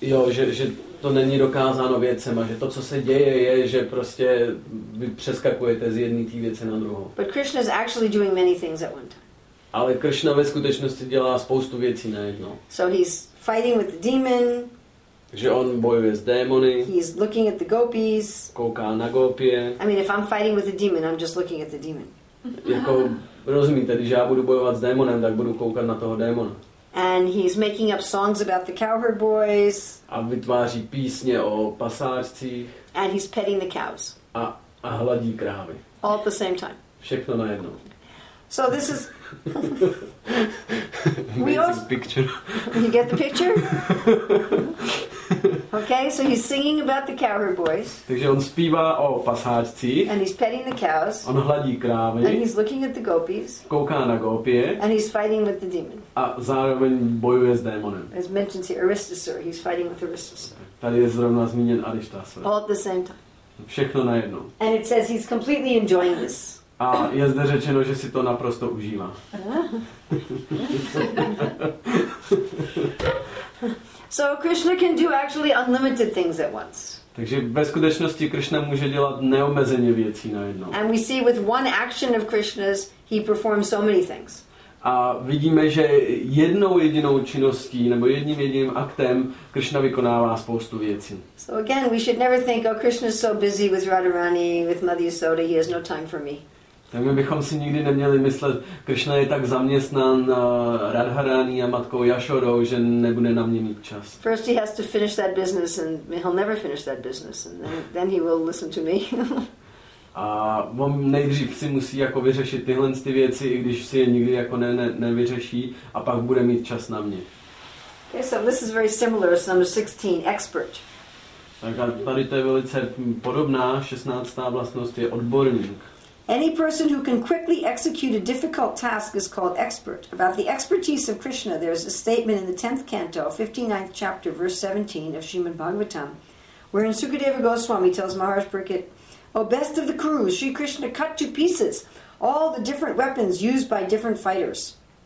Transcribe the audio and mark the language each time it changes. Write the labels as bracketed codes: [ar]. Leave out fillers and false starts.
[cs] Že to není dokázáno vědcema, že to, co se děje, je, že prostě vy přeskakujete z jedné té věci na druhou. [en] But Krishna is actually doing many things at one time. [cs] Ale Krishna ve skutečnosti dělá spoustu věcí najednou. [en] So he's fighting with the demon. [cs] Že on bojuje s démony. [en] He's looking at the gopis. [cs] Kouká na gopie. [en] I mean, if I'm fighting with a demon, I'm just looking at the demon. [cs] Jako, rozumíte, když já budu bojovat s démonem, tak budu koukat na toho démona. [en] And he's making up songs about the cowherd boys. [cs] A vytváří písně o pasářcích. [en] And he's petting the cows. [cs] A hladí krávy. [en] All at the same time. [cs] Všechno najednou. [en] So this is... We all... picture. You get the picture? Okay, so he's singing about the cowherd boys. [cs] Takže on zpívá o pasářcích. [en] And he's petting the cows. [cs] On hladí krávy. [en] And he's looking at the gopis. [cs] Kouká na gopie. [en] And he's fighting with the demon. [cs] A zároveň bojuje s démonem. [en] As mentioned here, Aristasur. He's fighting with Aristasur. [cs] Tady je zrovna zmíněn Aristasur. [en] All at the same time. [cs] Všechno najednou. [en] And it says he's completely enjoying this. [cs] A je zde řečeno, že si to naprosto užívá. [en] So Krishna can do actually unlimited things at once. [cs] Takže ve skutečnosti Krishna může dělat neomezeně věcí najednou. [en] And we see with one action of Krishna's, he performs so many things. [cs] A vidíme, že jednou jedinou činností nebo jedním jediným aktem Krishna vykonává spoustu věcí. [en] So again, we should never think, oh, Krishna's so busy with Radharani, with Mother Yasoda, he has no time for me. [cs] Tak my bychom si nikdy neměli myslet, Krishna je tak zaměstnán Radharani a matkou Yashodou, že nebude na mě mít čas. [en] First he has to finish that business and he'll never finish that business and then he will listen to me. [cs] A on nejdřív si musí jako vyřešit tyhle ty věci, i když si je nikdy jako nevyřeší a pak bude mít čas na mě. [en] Okay, so this is very similar, it's number 16, expert. [cs] Tak a tady to je velice podobná, 16. vlastnost je odborník. [en] Any person who can quickly execute a difficult task is called expert. About the expertise of Krishna, there is a statement in the 10th canto, 59th chapter, verse 17 of Srimad Bhagavatam, wherein Sukadeva Goswami tells Maharaj Prakrit, O best of the crews, Sri Krishna cut to pieces all the different weapons used by different fighters.